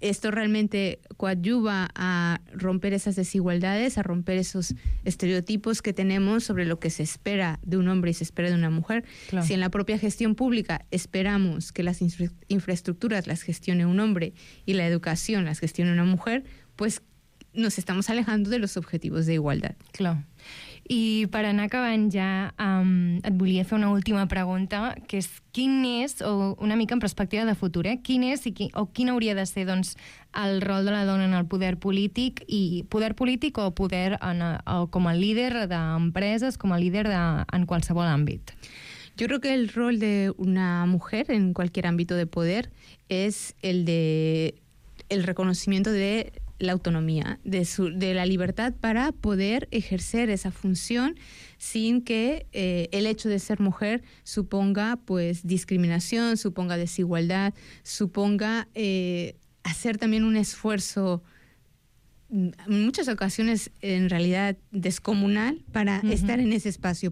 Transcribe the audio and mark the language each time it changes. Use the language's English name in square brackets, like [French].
[Spanish] ¿Esto realmente coadyuva a romper esas desigualdades, a romper esos estereotipos que tenemos sobre lo que se espera de un hombre y se espera de una mujer? Claro. Si en la propia gestión pública esperamos que las infraestructuras las gestione un hombre y la educación las gestione una mujer, pues nos estamos alejando de los objetivos de igualdad. Claro. [Catalan] I per anar acabant ja, et volia fer una última pregunta, que és quin és, o una mica en perspectiva de futur, quin és quin hauria de ser, doncs, el rol de la dona en el poder polític, i poder polític o poder com a líder d'empreses, com a líder en qualsevol àmbit? [Spanish] Yo creo que el rol de una mujer en cualquier ámbito de poder es el de el reconocimiento de la autonomía, de la libertad para poder ejercer esa función sin que el hecho de ser mujer suponga, pues, discriminación, suponga desigualdad, suponga hacer también un esfuerzo, en muchas ocasiones en realidad descomunal, para uh-huh. estar en ese espacio.